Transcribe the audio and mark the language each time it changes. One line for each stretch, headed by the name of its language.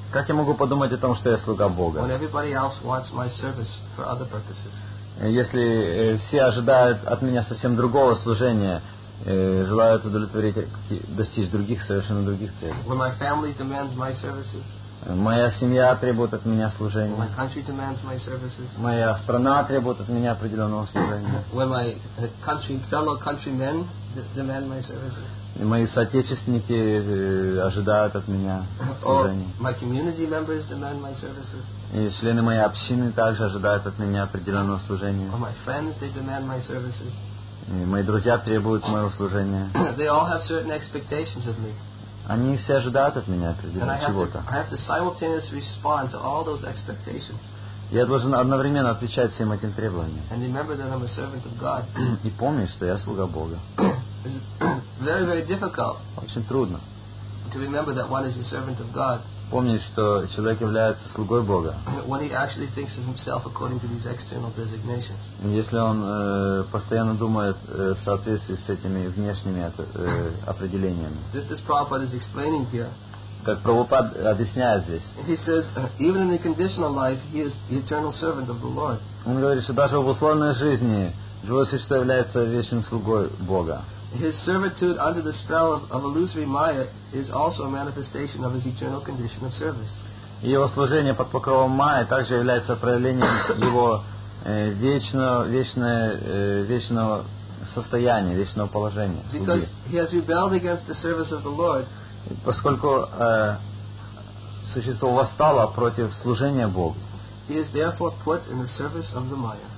Russian: Как я могу подумать о том, что я слуга Бога?
English: When everybody else wants my service for other purposes.
Russian: Если все ожидают от меня совсем другого служения. Желают удовлетворить, достичь других, совершенно других целей.
English: When my family demands my services.
Russian: Моя семья требует от меня служения.
English: When my country demands my services.
Russian: Моя страна требует от меня определенного служения.
English: When my country, fellow countrymen demand my services.
Russian: И мои соотечественники ожидают от меня служения.
English: Or my community members demand my services.
Russian: И члены моей общины также ожидают от меня определенного служения.
English: Or my friends, they demand my services.
Russian: И мои друзья требуют моего служения.
English: They all have certain expectations of me.
Russian: Они все ожидают от меня определенного чего-то.
English: I have to simultaneously respond to all those expectations.
Russian: Я должен одновременно отвечать всем этим требованиям.
English: And remember that I'm a servant of God.
Russian: И помнить, что я слуга Бога.
English: It's very, very difficult.
Russian: Очень трудно.
English: To remember that one is a servant of God.
Russian: Помнить, что человек является слугой Бога.
English: When he actually thinks of himself according to these external designations.
Russian: Если он постоянно думает в соответствии с этими внешними определениями.
English: This is Prabhupada is explaining here.
Russian: Как Прабхупад объясняет здесь.
English: He says, even in the conditional life, he is the eternal servant of the Lord.
Russian: Он говорит, что даже в условной жизни живое существо является вечным слугой Бога.
English: His servitude under the spell of illusory Maya is also a manifestation of his eternal condition of service.
Russian: Его служение под покровом Майи также является проявлением его вечного состояния, вечного положения.
English: Because he has rebelled against the service of the Lord.
Russian: Поскольку существо восстало против служения Богу.
English: He is therefore put in the service of the Maya.